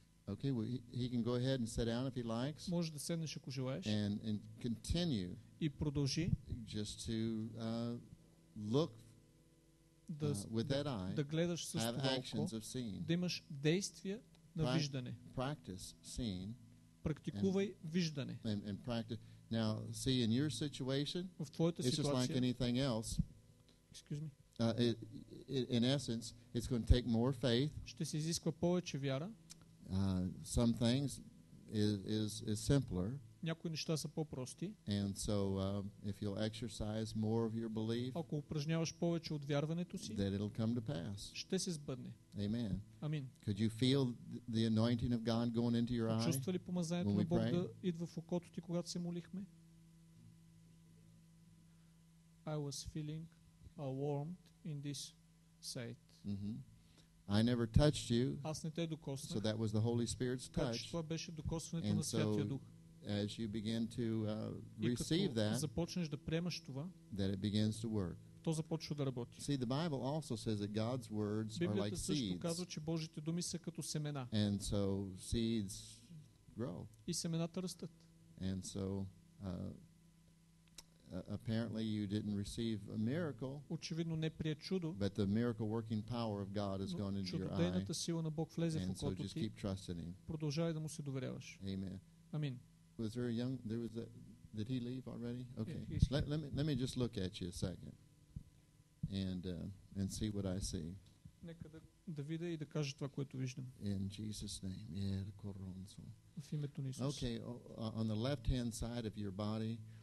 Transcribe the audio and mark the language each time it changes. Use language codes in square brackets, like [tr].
[en] Okay, well, he can go ahead and sit down if he likes. [bg] Може да седнеш, ако желаеш. [en] And continue. [bg] И продължи. [en] Just to look with that eye. [bg] Да гледаш с това око. Да имаш действия на виждане. [en] Practice seeing. [bg] Практикувай виждане. [en] And practice. Now, see, in your situation, [bg] в твоята ситуация, [en] it's just like anything else. Excuse me. In essence, it's going to take more faith. [bg] Ще се изисква повече вяра. [en] Some things is simpler. [bg] Някои неща са по-прости. [en] And so, if you'll exercise more of your belief, [bg] ако упражняваш повече от вярването си, [en] that it'll come to pass. [bg] Ще се сбъдне. [en] Amen. [bg] Амин. [en] Could you feel the anointing of God going into your eye? [bg] Чувства ли помазанието на Бог да идва в окото ти, когато се молихме? [en] I was feeling a warmth in this sight. Mm-hmm. I never touched you. [bg] Аз не те докоснах. [en] So that was the Holy Spirit's touch. [bg] Това беше докосването на Святия Дух. [en] As you begin to receive that, [bg] започнеш да приемаш това, [en] that it begins to work. [bg] То започва да работи. [en] See, the Bible also says that God's words are like seeds. [bg] Библията също казва, че Божите думи са като семена. [en] And so seeds grow. [bg] И семената растат. [en] And so apparently you didn't receive a miracle. [bg] Очевидно не прие чудо. [en] But the miracle working power of God has gone into your eye. [bg] Чудодейната сила на Бог влезе в окото ти. [en] And so just keep trusting him. [bg] Продължавай да му се доверяваш. [en] Amen. [bg] Амин. [en] Was there a young? There was a. Did he leave already? Okay. Yeah, let me just look at you a second. And see what I see. [bg] Нека да видя и да кажа това, което виждам. [en] In Jesus' name. Yeah. [bg] В името на Исус. [en] Okay. On the left-hand side of your body.